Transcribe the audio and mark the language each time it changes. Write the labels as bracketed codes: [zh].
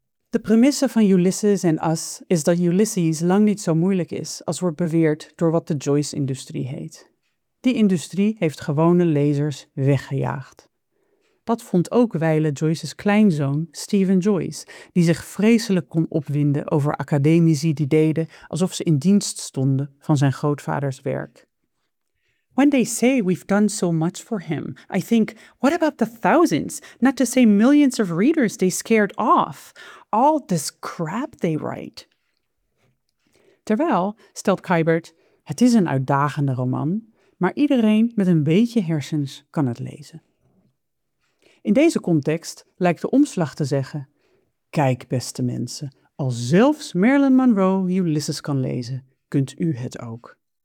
[nl] De premisse van Ulysses en Us is dat Ulysses lang niet zo moeilijk is als wordt beweerd door wat de Joyce-industrie heet. Die industrie heeft gewone lezers weggejaagd. Dat vond ook wijlen Joyce's kleinzoon Stephen Joyce, die zich vreselijk kon opwinden over academici die deden alsof ze in dienst stonden van zijn grootvaders werk. [en] When they say we've done so much for him, I think, what about the thousands, not to say millions of readers they scared off? All this crap they write. [nl] Terwijl, stelt Kybert, het is een uitdagende roman, maar iedereen met een beetje hersens kan het lezen. In deze context lijkt de omslag te zeggen, kijk beste mensen, als zelfs Marilyn Monroe Ulysses kan lezen, kunt u het ook.